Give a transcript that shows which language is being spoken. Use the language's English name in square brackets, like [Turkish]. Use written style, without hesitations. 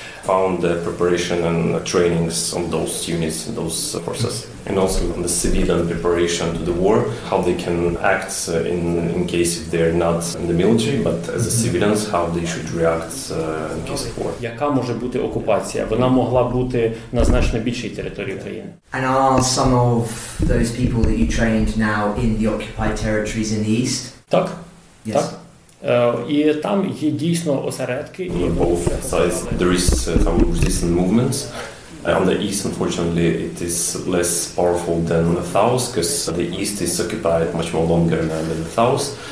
[English] Found the preparation and trainings on those units and those forces. And also on the civilian preparation to the war, how they can act in case if they're not in the military, but as a civilians, how they should react in case of war. [Ukrainian] Яка може бути окупація? Вона могла бути на значно більшій території України. [English] And are some of those people that you trained now in the occupied territories in the east? [Ukrainian] Так. [English] Yes. [Ukrainian] Так. І там є дійсно осередки. [English] Both sides, there is some resistance movements. On the east, unfortunately, it is less powerful than the south, because the east is occupied much more longer than the south.